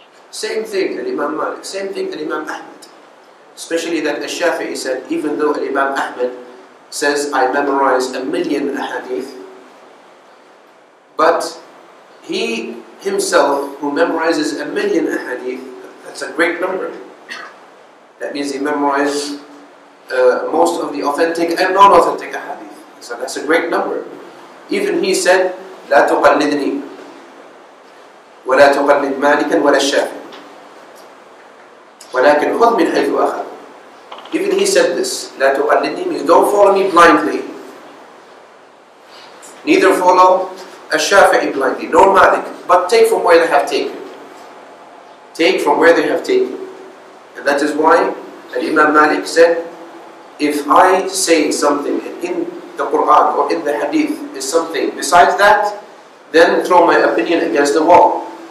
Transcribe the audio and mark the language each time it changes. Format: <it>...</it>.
<en>Same thing that Imam Malik, same thing that Imam Ahmed. Especially that al-Shafi'i said, even though Imam Ahmed says, I memorize a million ahadith, but he himself, who memorizes a million ahadith, that's a great number. That means he memorized most of the authentic and non-authentic ahadith. So that's a great number. Even he said,</en> <ar>لا تقلدني ولا تقلد مالكا ولا الشافعي. ولكن خذ من حيث أخذ.</ar> <en>Even he said this,</en> <ar>لا تقلدني,</ar> <en>means don't follow me blindly. Neither follow الشافعي blindly, nor مالك, but take from where they have taken. Take from where they have taken. And that is why Imam Malik said, if I say something in the Quran or in the Hadith is something besides that, then throw my opinion against the wall.</en>